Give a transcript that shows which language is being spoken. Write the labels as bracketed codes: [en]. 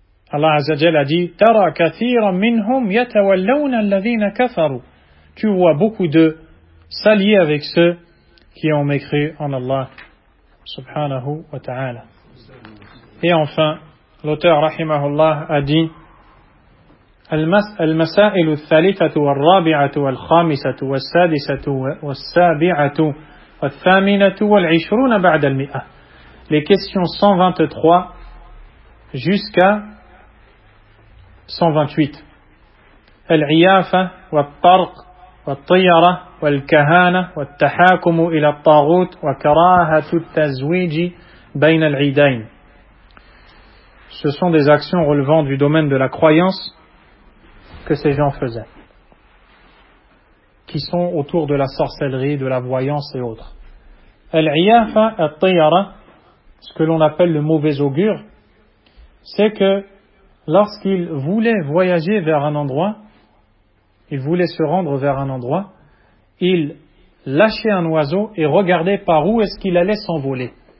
[ar] Allah Azza wa Jalla [fr] a dit: [ar] "Tara kathiran minhum yatawallawna alladhina kafaru." [fr] tu vois beaucoup d'eux s'allier avec ceux qui ont mécru en Allah subhanahu wa ta'ala. Et enfin, l'auteur rahimahullah a dit [ar] المسائل الثالثة والرابعة والخامسة والسادسة والسابعة والثامنة والعشرون بعد المئة. [fr] Les questions 123 jusqu'à 128. [ar] العيافة والطرق والطيرة والكهانة والتحاكم إلى الطاغوت وكراهة التزويج بين العيدين. [fr] Ce sont des actions relevant du domaine de la croyance que ces gens faisaient, qui sont autour de la sorcellerie, de la voyance et autres. Al-iyafa al-tayara, ce que l'on appelle le mauvais augure, c'est que lorsqu'ils voulaient voyager vers un endroit, ils voulaient se rendre vers un endroit, ils lâchaient un oiseau et regardaient par où est-ce qu'il allait s'envoler.